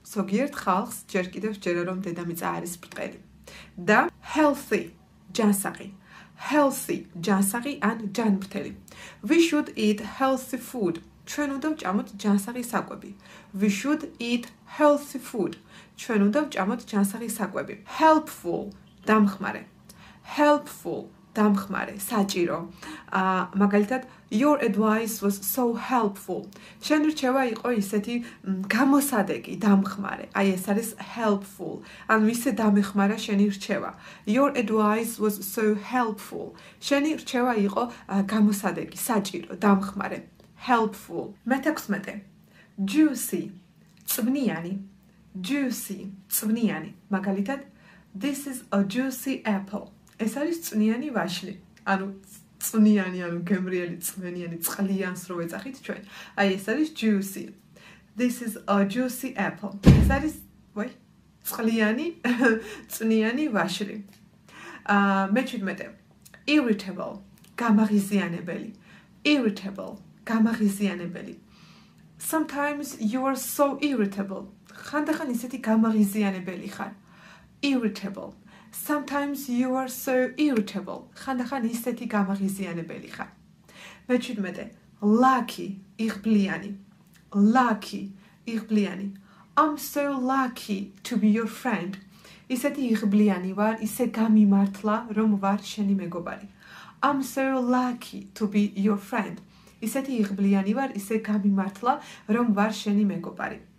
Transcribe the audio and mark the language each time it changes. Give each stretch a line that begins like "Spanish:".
Georgian: ზოგიერთ ხალხს ჯერ კიდევ სჯერა რომ დედამიწა არის პრტყელი. და healthy. ჯანსაღი. Healthy. ჯანსაღი ან ჯანმრთელი.
English: We should eat healthy food.
Georgian: ჩვენ უნდა ვჭამოთ ჯანსაღი საკვები.
English: We should eat healthy food.
Georgian: ჩვენ უნდა ვჭამოთ ჯანსაღი საკვები. Helpful. დამხმარე. Helpful. დამხმარე, საჭირო.
English: მაგალითად, your advice was so helpful.
Georgian: შენ რჩევა იყო ისეთი გამოსადეგი, დამხმარე. აი ეს არის helpful. ან ვისე დამეხმარა შენი რჩევა.
English: Your advice was so helpful.
Georgian: შენი რჩევა იყო გამოსადეგი, საჭირო, დამხმარე. Helpful. მე-16. Juicy. წვნიანი. Juicy. წვნიანი.
English: მაგალითად, this is a juicy apple.
Georgian: ეს არის წვნიანი ვაშლი. ანუ წვნიანი, ანუ გემრიელი, წვნიანი, წყლიანს რო ეძახით ჩვენ. აი ეს არის
English: juicy. This is a juicy apple.
Georgian: ეს არის, ვაი, წყლიანი, წვნიანი ვაშლი. მე-17. Irritable. გამაღიზიანებელი. Irritable. გამაღიზიანებელი.
English: Sometimes you are so irritable.
Georgian: ხანდახან ისეთი გამაღიზიანებელი ხარ.
English: Irritable. Sometimes you are so irritable.
Georgian: ხანდახან ისეთი გამაღიზიანებელი ხარ. მე-17. Lucky. იღბლიანი. Lucky. იღბლიანი.
English: I'm so lucky to be your friend.
Georgian: ისეთი იღბლიანი ვარ, ისე გამიმართლა, რომ ვარ შენი მეგობარი.
English: I'm so lucky to be your friend.
Georgian: ისეთი იღბლიანი ვარ, ისე გამიმართლა, რომ ვარ შენი მეგობარი.